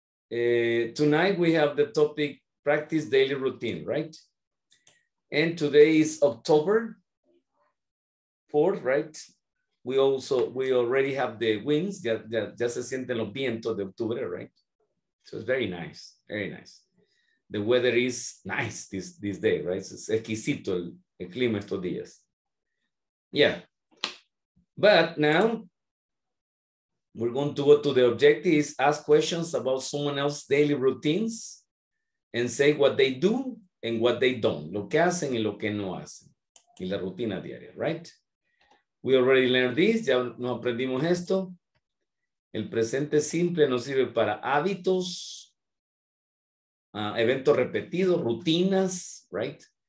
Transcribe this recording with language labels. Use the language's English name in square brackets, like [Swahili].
[English] Tonight we have the topic practice daily routine, right? And today is October, four, right? We also, we already have the winds. [Spanish] Ya se sienten los vientos de octubre, right? [English] So it's very nice, very nice. The weather is nice this day, right? It's [Spanish] exquisito el clima estos días. Yeah. [English] But now, we're going to go to the objectives, ask questions about someone else's daily routines and say what they do and what they don't. [Spanish] Lo que hacen y lo que no hacen. Y la rutina diaria, [English] right? We already learned this. [Spanish] Ya nos aprendimos esto. El presente simple nos sirve para hábitos, eventos repetidos, rutinas, right?